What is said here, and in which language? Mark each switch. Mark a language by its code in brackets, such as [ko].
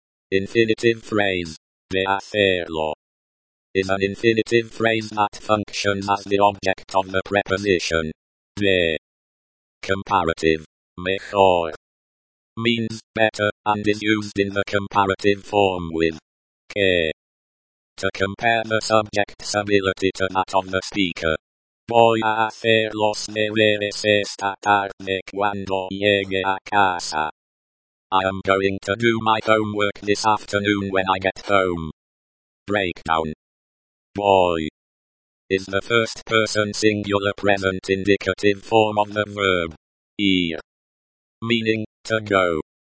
[en] Infinitive phrase, de hacerlo, is an infinitive phrase that functions as the object of the preposition de. Comparative, mejor, means better, and is used in the comparative form with que, to compare the subject's ability to that of the speaker. [es] Voy a hacer los deberes esta tarde cuando llegue a casa. [en] I am going to do my homework this afternoon when I get home. Breakdown. Voy is the first person singular present indicative form of the verb ir, meaning to go.